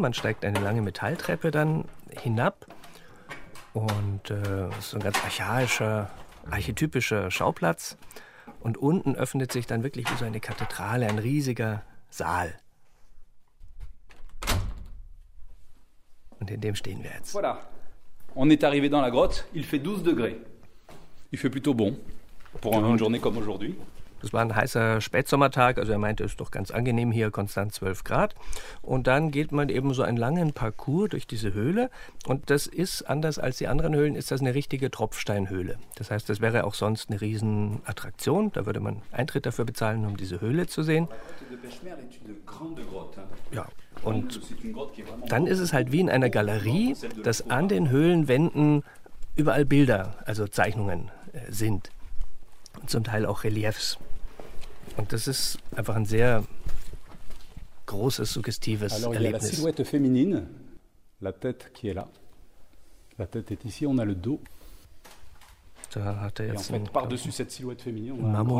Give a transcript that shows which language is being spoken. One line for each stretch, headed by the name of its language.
German: Man steigt eine lange Metalltreppe dann hinab. Und so ein ganz archaischer, archetypischer Schauplatz. Und unten öffnet sich dann wirklich wie so eine Kathedrale, ein riesiger Saal. Und in dem stehen wir jetzt.
French: Voilà. On est arrivé dans la grotte. Il fait 12 degrés. Il fait plutôt bon. Pour une journée comme aujourd'hui.
German: Das war ein heißer Spätsommertag, also er meinte, es ist doch ganz angenehm hier, konstant 12 Grad. Und dann geht man eben so einen langen Parcours durch diese Höhle. Und das ist, anders als die anderen Höhlen, ist das eine richtige Tropfsteinhöhle. Das heißt, das wäre auch sonst eine Riesenattraktion. Da würde man Eintritt dafür bezahlen, um diese Höhle zu sehen. Ja, und dann ist es halt wie in einer Galerie, dass an den Höhlenwänden überall Bilder, also Zeichnungen sind. Und zum Teil auch Reliefs. Und das ist einfach ein sehr großes, suggestives
French: Alors,
German: Erlebnis.
French: Il y a la silhouette féminine, la tête qui est là. La tête est ici, on a le dos.
German: Da hat er jetzt
French: en fait, par-dessus cette silhouette féminine, on a Mammut.